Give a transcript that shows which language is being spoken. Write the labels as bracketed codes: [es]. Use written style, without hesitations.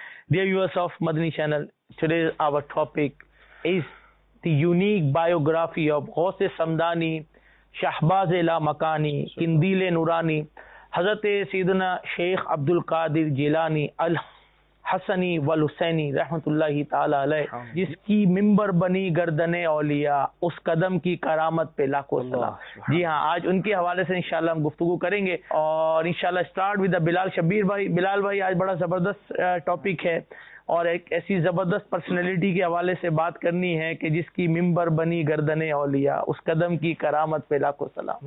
[en] Dear viewers of Madani channel, today our topic is the unique biography of Ghaus-e Samdani, Shahbaz-e-la-Makani, Kindil-e-Nurani, Hazrat-e-Sidna Sheikh Abdul Qadir Jilani, Al-Hassani Wal-Husaini, Rahmatullahi Ta'ala Alayhi, [ur] جس کی ممبر بنی گردنِ اولیاء, اس قدم کی کرامت پہ لاکھو سلام. جی ہاں, آج ان کے حوالے سے انشاءاللہ ہم گفتگو کریں گے. اور انشاءاللہ [en] start with the [ur] Bilal Shabbir بھائی. Bilal بھائی, آج بڑا زبردست ٹاپک ہے اور ایک ایسی زبردست پرسنلیٹی کے حوالے سے بات کرنی ہے کہ جس کی ممبر بنی گردن اولیاء, اس قدم کی کرامت پہ لاکھو سلام.